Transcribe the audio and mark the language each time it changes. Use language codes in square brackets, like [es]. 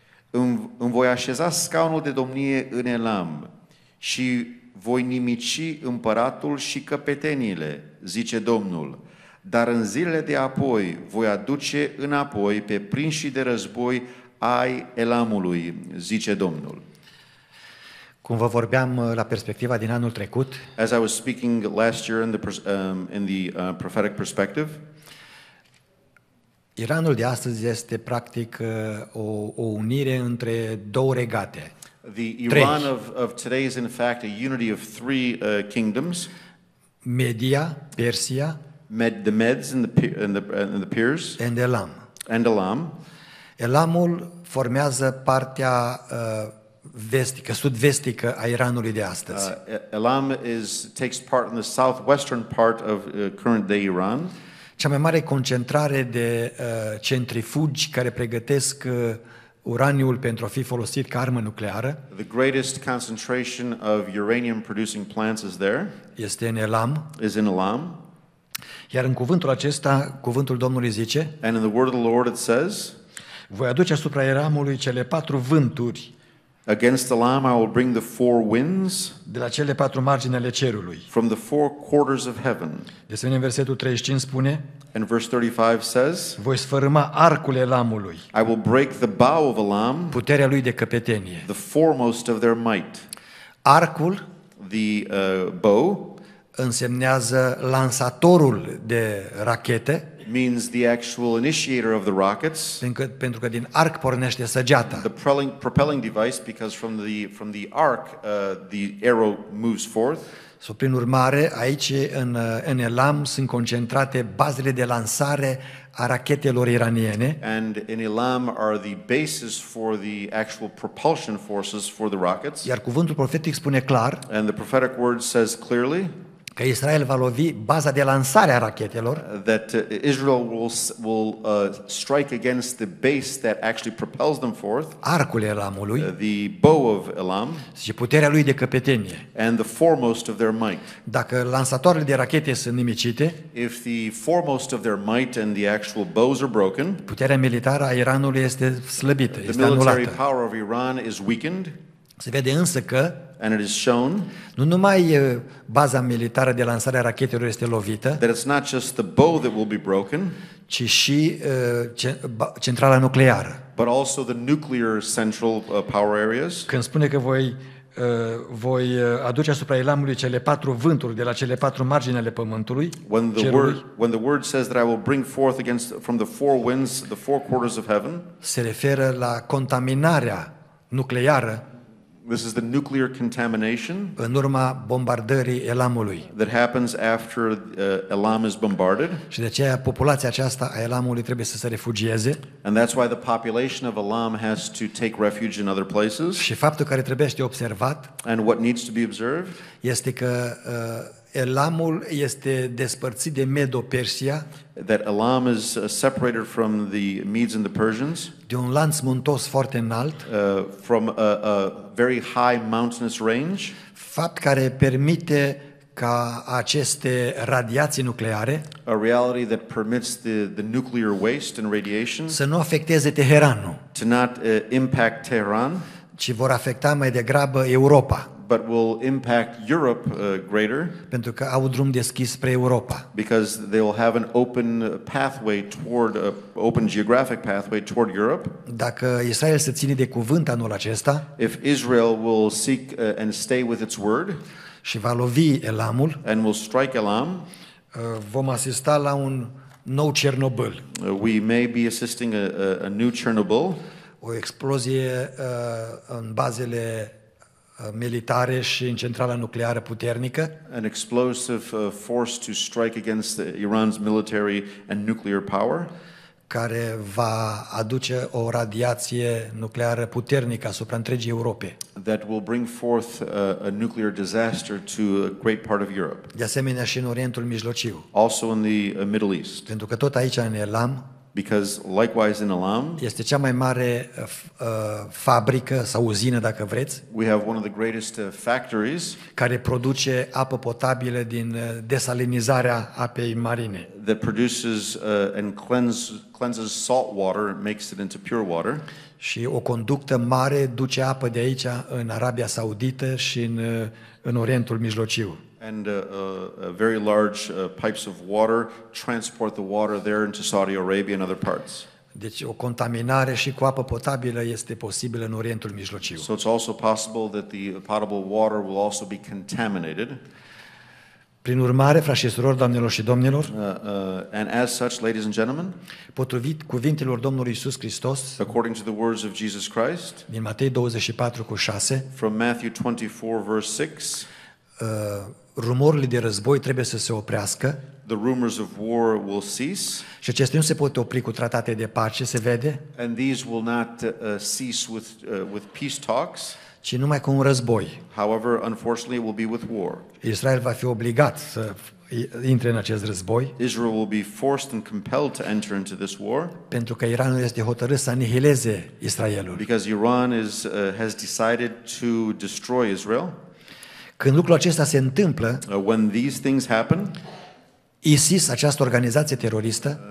[ro] Îmi voi așeza scaunul de domnie în Elam și voi nimici împăratul și căpeteniile, zice Domnul. Dar în zilele de apoi voi aduce înapoi pe prinșii de război ai Elamului, zice Domnul. Cum vă vorbeam la perspectiva din anul trecut, [en] as I was speaking last year in the prophetic perspective, [ro] Iranul de astăzi este practic o unire între două regate. [en] The Iran of today is in fact a unity of three kingdoms. [ro] Media, Persia, [en] the Medes and the Peers, and Elam. And Elam. [ro] Elamul formează partea vestică, sud-vestică a Iranului de astăzi. [en] Elam takes part in the southwestern part of current day Iran. [ro] Cea mai mare concentrare de centrifugi care pregătesc uraniul pentru a fi folosit ca armă nucleară. [en] The greatest concentration of uranium producing plants is there. [ro] Este în Elam. [en] Is in Elam. [ro] Iar în cuvântul acesta, cuvântul Domnului zice: [en] And in the word of the Lord it says, [ro] voi aduce asupra Elamului cele 4 vânturi. [en] Against the Lamb, I will bring the 4 winds. [ro] De la cele 4 margini ale cerului. [en] From the 4 quarters of heaven. [ro] De asemenea, versetul 35 spune. [en] And verse 35 says. [ro] Voi sfărâma arcul Elamului. [en] I will break the bow of Elam. [ro] Puterea lui de căpetenie. [en] The foremost of their might. [ro] Arcul. [en] The bow. [ro] Însemnează lansatorul de rachete. [en] Means the actual initiator of the rockets. [ro] Pentru că din arc pornește săgeata. [en] The propelling device, because from the arc the arrow moves forth. [ro] So, prin urmare, aici în Elam sunt concentrate bazele de lansare a rachetelor iraniene. [en] And in Elam are the bases for the actual propulsion forces for the rockets. [ro] Iar cuvântul profetic spune clar. [en] And the prophetic word says clearly. [ro] Că Israel va lovi baza de lansare a rachetelor. [en] That Israel will strike against the base that actually propels them forth. [ro] Arcul Elamului. [en] The bow of Elam. [ro] Și puterea lui de căpetenie. [en] And the foremost of their might. [ro] Dacă lansatoarele de rachete sunt nimicite. [en] If the foremost of their might and the actual bows are broken. [ro] Puterea militară a Iranului este slăbită, este anulată. [en] The military power of Iran is weakened. [ro] Se vede însă că [en] and it is shown, [ro] nu numai baza militară de lansare a rachetelor este lovită, [en] that it's not just the bow that will be broken, [ro] ci și centrala nucleară. [en] But also the nuclear central power areas. [ro] Când spune că voi aduce asupra Elamului cele 4 vânturi de la cele 4 margini ale pământului, [en] when the word says that I will bring forth against from the 4 winds the 4 quarters of heaven, [ro] se referă la contaminarea nucleară. [en] This is the nuclear contamination. [ro] În urma bombardării Elamului. [en] That happens after Elam is bombarded. [ro] Și de aceea populația aceasta a Elamului trebuie să se refugieze. [en] And that's why the population of Elam has to take refuge in other places. [ro] Și faptul care trebuie să fie observat. [en] And what needs to be observed. [ro] Este că Elamul este despărțit de Medo-Persia. [en] That Elam is separated from the Medes and the Persians. [ro] De un lanț muntos foarte înalt. [en] From a very high mountainous range. [ro] Fapt care permite ca aceste radiații nucleare, [en] a reality that permits the nuclear waste and radiation, [ro] să nu afecteze Teheranul, [en] to not impact Tehran, [ro] ci vor afecta mai degrabă Europa, [en] but will impact Europe greater, [ro] pentru că au drum deschis spre Europa, [en] because they will have an open pathway toward open geographic pathway toward Europe. [ro] Dacă Israel se ține de cuvânt anul acesta, [en] if Israel will seek and stay with its word, [ro] și va lovi Elamul, [en] and will strike Elam, [ro] vom asista la un nou Chernobyl. [en] We may be assisting a new Chernobyl, [ro] o explozie în bazele militare și în centrala nucleară puternică, [en] an explosive force to strike against Iran's military and nuclear power, [ro] care va aduce o radiație nucleară puternică asupra întregii Europe, [en] that will bring forth a nuclear disaster to a great part of Europe, [ro] de asemenea și în Orientul Mijlociu, [en] also in the Middle East, [ro] pentru că tot aici în Elam, [en] because likewise in Elam, [ro] este cea mai mare fabrică sau uzină, dacă vreți, [en] we have one of the greatest factories, [ro] care produce apă potabilă din desalinizarea apei marine, [en] that produces and cleanses salt water, makes it into pure water, [ro] și o conductă mare duce apă de aici în Arabia Saudită și în Orientul Mijlociu, [en] and very large pipes of water transport the water there into Saudi Arabia and other parts. [ro] Deci o contaminare și cu apă potabilă este posibilă în Orientul Mijlociu. [en] So it's also possible that the potable water will also be contaminated. [ro] Prin urmare, frați și surori, doamnelor și domnilor, [en] and as such, ladies and gentlemen, [ro] potrivit cuvintelor Domnului Iisus Hristos, [en] according to the words of Jesus Christ, [ro] din Matei 24:6, [en] from Matthew 24 verse 6, [ro] rumorile de război trebuie să se oprească. [en] The rumors of war will cease. [ro] Și acestea nu se pot opri cu tratate de pace, se vede. [en] And these will not cease with peace talks. [ro] Ci numai cu un război. [en] However, unfortunately, it will be with war. [ro] Israel va fi obligat să intre în acest război. [en] Israel will be forced and compelled to enter into this war. [ro] Pentru că Iranul este hotărât să anihileze Israelul. [en] Because Iran has decided to destroy Israel. [ro] Când lucrul acesta se întâmplă, [en] when these things happen, [ro] ISIS, această organizație teroristă,